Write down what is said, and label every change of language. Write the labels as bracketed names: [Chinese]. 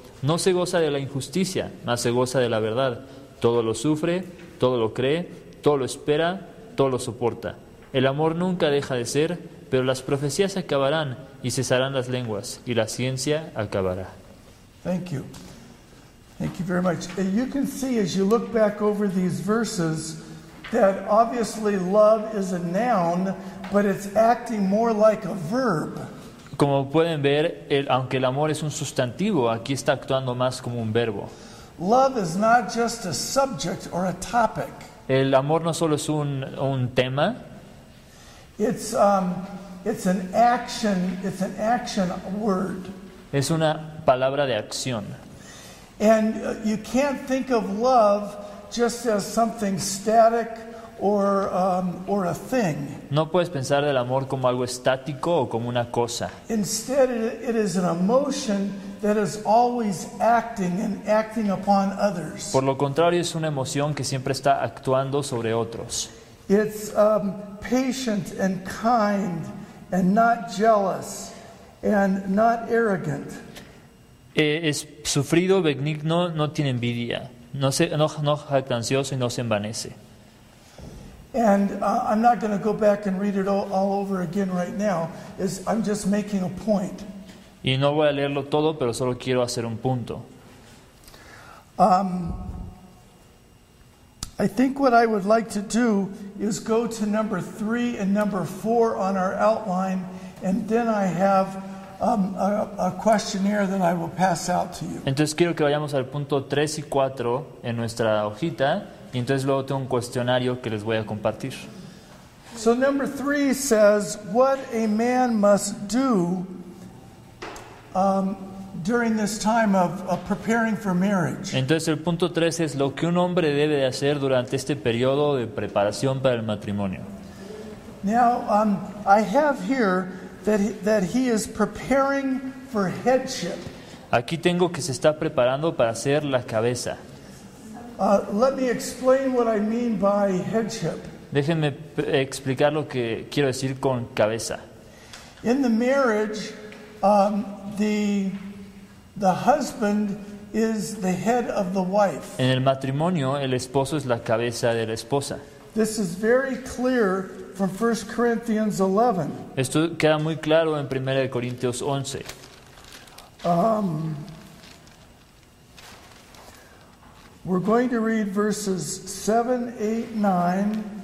[Spanish] No se goza de la injusticia, mas se goza de la verdad. Todo lo sufre, todo lo cree, todo lo espera, todo lo soporta. El amor nunca deja de ser, pero las profecías acabarán y cesarán las lenguas y la ciencia acabará. [English] Thank you. Thank you very much. You can see as you look back over these verses that obviously love is a noun, but it's acting more like a verb. [Spanish] Como pueden ver, aunque el amor es un sustantivo, aquí está actuando más como un verbo. [English] Love is not just a subject or a topic. [Spanish] El amor no solo es un tema. [English] It's an action word. [Spanish] Es una palabra de acción. [English] And you can't think of love just as something static or a thing. [Spanish] No puedes pensar del amor como algo estático o como una cosa. [English] Instead, it is an emotion that is always acting and acting upon others. [Spanish] Por lo contrario, es una emoción que siempre está actuando sobre otros. [English] It's patient and kind and not jealous and not arrogant. [Spanish] Es sufrido, benigno, no tiene envidia, no jactancioso y no se envanece. [English] And I'm not going to go back and read it all over again right now. I'm just making a point. [Spanish] Y no voy a leerlo todo, pero solo quiero hacer un punto. [English] I think what I would like to do is go to number 3 and number 4 on our outline, and then I have a questionnaire that I will pass out to you. [Spanish] Entonces quiero que vayamos al punto 3 y 4 en nuestra hojita, y entonces luego tengo un cuestionario que les voy a compartir. [English] So number 3 says what a man must do during this time of preparing for marriage. [Spanish] Entonces el punto 3 es lo que un hombre debe de hacer durante este periodo de preparación para el matrimonio. [English] Now I have here that he is preparing for headship. [Spanish] Aquí tengo que se está preparando para ser la cabeza. [English] Let me explain what I mean by headship. [Spanish] Déjenme explicar lo que quiero decir con cabeza. [English] In the marriage, the husband is the head of the wife. [Spanish] En el matrimonio, el esposo es la cabeza de la esposa. [English] This is very clear from 1 Corinthians 11. [Spanish] Esto queda muy claro en 1 Corintios 11. [English] We're going to read verses 7, 8, 9.